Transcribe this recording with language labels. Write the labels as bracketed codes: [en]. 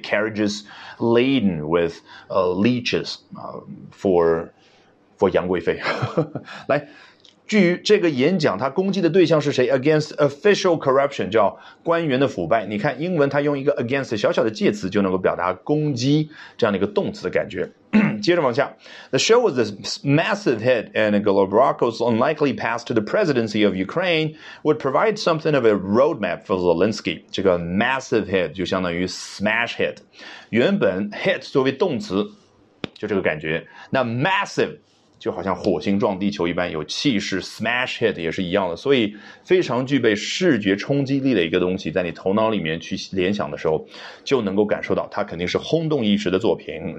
[en] Carriages laden with leeches for 杨贵妃。 [zh] 来，据这个演讲他攻击的对象是谁？ [en] Against official corruption， [zh] 叫官员的腐败。你看英文他用一个 against 小小的介词就能够表达攻击这样的一个动词的感觉。接着往下， [en] The show was a massive hit and Golobarko's unlikely pass to the presidency of Ukraine would provide something of a roadmap for Zelensky。 [zh] 这个 [en] massive hit [zh] 就相当于 [en] smash hit， [zh] 原本 hit 作为动词就这个感觉，那 massive 就好像火星撞地球一般，有气势 smash hit 也是一样的，所以非常具备视觉冲击力的一个东西，在你头脑里面去联想的时候，就能够感受到它肯定是轰动一时的作品。